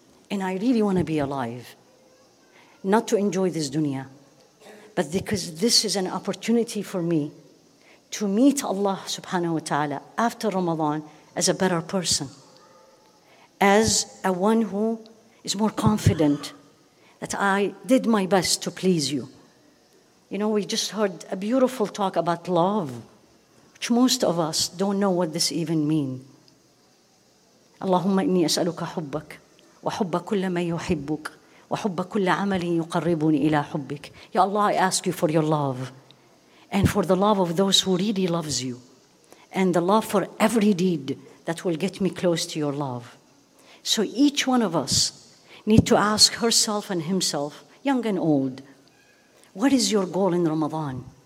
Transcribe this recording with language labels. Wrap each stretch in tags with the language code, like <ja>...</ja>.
<en>And I really want to be alive, not to enjoy this dunya, but because this is an opportunity for me to meet Allah</en> <ar>subhanahu wa ta'ala</ar> <en>after Ramadan as a better person, as a one who is more confident that I did my best to please you. You know, we just heard a beautiful talk about love, which most of us don't know what this even means.</en> <ar>Allahumma inni as'aluka hubbak. وحب كل ما يحبك وحب كل عمل يقربني إلى حبك.</ar> <en>Ya Allah, I ask you for your love and for the love of those who really loves you and the love for every deed that will get me close to your love. So each one of us need to ask herself and himself, young and old, what is your goal in Ramadan?</en>